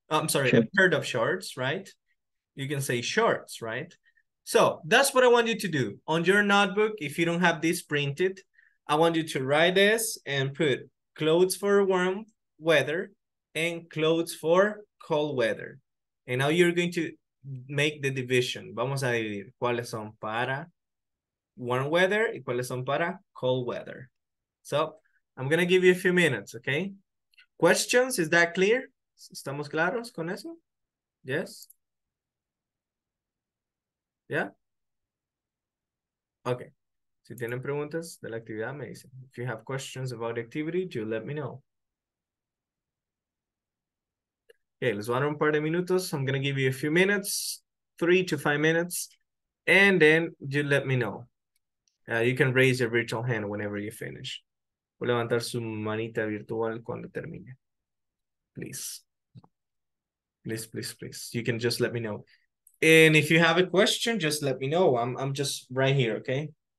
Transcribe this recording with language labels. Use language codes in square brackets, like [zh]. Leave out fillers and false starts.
[en] I'm sorry, a pair of shorts, right? You can say shorts, right? So that's what I want you to do. On your notebook, if you don't have this printed, I want you to write this and put clothes for warm weather and clothes for cold weather. And now you're going to make the division. [es] Vamos a dividir. ¿Cuáles son para warm weather y cuáles son para cold weather? [en] So I'm going to give you a few minutes, okay? Questions, is that clear? [es] ¿Estamos claros con eso? [en] Yes? Yeah? Okay. [es] Si tienen preguntas de la actividad, me dicen. [en] If you have questions about the activity, you let me know. [es] Okay, les voy a dar un par de minutos. [en] I'm going to give you a few minutes, 3 to 5 minutes, and then you let me know. You can raise your virtual hand whenever you finish. [es] Voy a levantar su manita virtual cuando termine. [en] Please. You can just let me know. And if you have a question, just let me know. I'm just right here, okay?